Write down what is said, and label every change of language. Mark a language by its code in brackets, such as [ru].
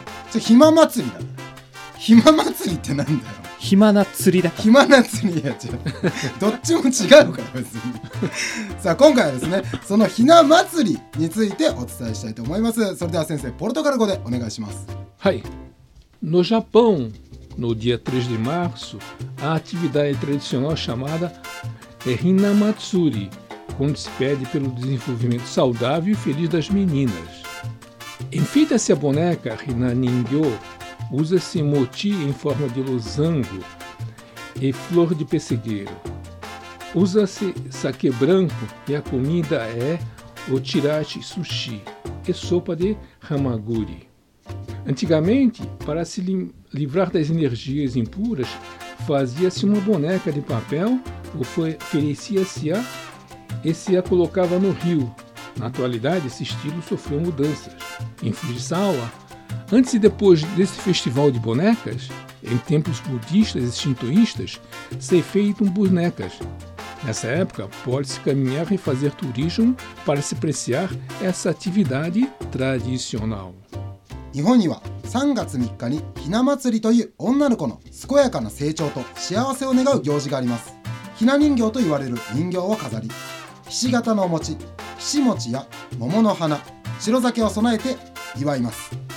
[ja] ちょ暇祭りだ、暇祭りってなんだよ。暇な釣りだ、暇な釣りや。違う、どっちも違うから別にさあ今回はですねそのひな祭りについてお伝えしたいと思います。それでは先生ポルトガル語でお願いします。はい。 [pt] No Japão, no dia 3 de março, a atividade tradicional chamada Hinamatsuri, onde se pede pelo desenvolvimento saudável e feliz das meninas. Enfeita-se a boneca Hinaningyo, usa-se mochi em forma de losango e flor de pessegueiro. Usa-se sake branco e a comida é ochirashi sushi e sopa de hamaguri. Antigamente, para se livrar das energias impuras, fazia-se uma boneca de papel, oferecia-se-a e se a colocava no rio. Na atualidade, esse estilo sofreu mudanças. Em Fujisawa, antes e depois desse festival de bonecas, em templos budistas e shintoístas, se feitam bonecas. Nessa época, pode-se caminhar e fazer turismo para se apreciar essa atividade tradicional. [ja] 日本には3月3日にひな祭りという女の子の健やかな成長と幸せを願う行事があります。ひな人形といわれる人形を飾り、ひし形のお餅、ひし餅や桃の花、白酒を備えて祝います。